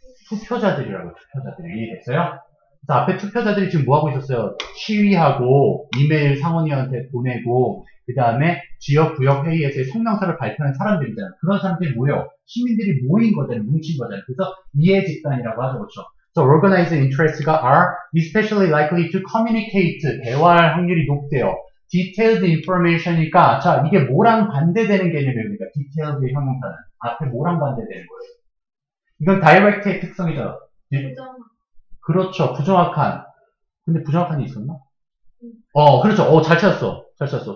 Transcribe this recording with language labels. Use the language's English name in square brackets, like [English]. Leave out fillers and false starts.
[Korean] 투표자들이라고, 투표자들이. 이해됐어요? 그래서 앞에 투표자들이 지금 뭐하고 있었어요? 시위하고 이메일 상원의원한테 보내고 그 다음에 지역 구역 회의에서의 성명서를 발표하는 사람들이잖아요. 그런 사람들이 뭐예요? 시민들이 모인 거잖아요. 뭉친 거잖아요. 그래서 이해 집단이라고 하죠. 그렇죠? [English] So, organized interests가 are especially likely to communicate. [Korean] 대화할 확률이 높대요. Detailed information 이니까, 자, 이게 뭐랑 반대되는 개념입니까? Detailed 형용사는. 앞에 뭐랑 반대되는 거예요? 이건 direct의 특성이죠. 그렇죠. 부정확한. 근데 부정확한 게 있었나? 그렇죠. 잘 찾았어. 잘 찾았어.